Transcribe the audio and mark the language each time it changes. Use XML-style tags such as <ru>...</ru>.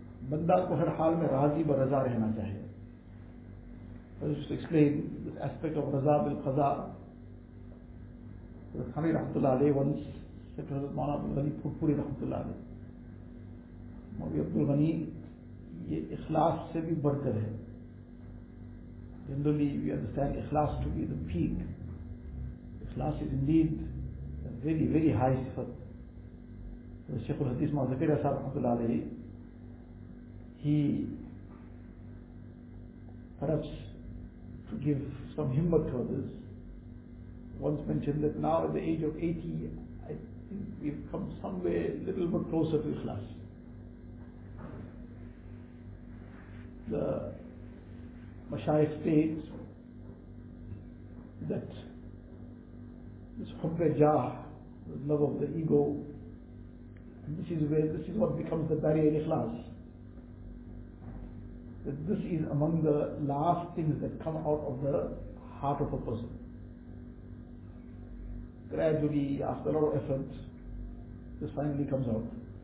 <ur>بندہ کو ہر حال میں راضی و رضا رہنا چاہیے.</ur> <en>explain this aspect of</en> <ur>رضا بالقضاء. خانی رحمۃ اللہ علیہ ونس حضرت مولانا عبد الغنی پھٹپوری رحمۃ اللہ علیہ، مولوی عبد الغنی یہ اخلاص سے بھی بڑھ کر ہے.</ur> <en>Generally we understand اخلاص to be the peak, اخلاص is indeed very very high صفت. شیخ الحدیث مولانا ذکیر صاحب رحمۃ اللہ علیہ، he perhaps to give some ہمت to this, once mention that now at the age of 80 I think we have come some way little more closer to اخلاص. دا مشائخ اسٹیٹ دیٹ دس حب جاہ، love of the ego. And this is where, this is what becomes the barrier in ikhlas. That this is among the last things that come out of the heart of a person. Gradually, after a lot of effort, this finally comes out.</en>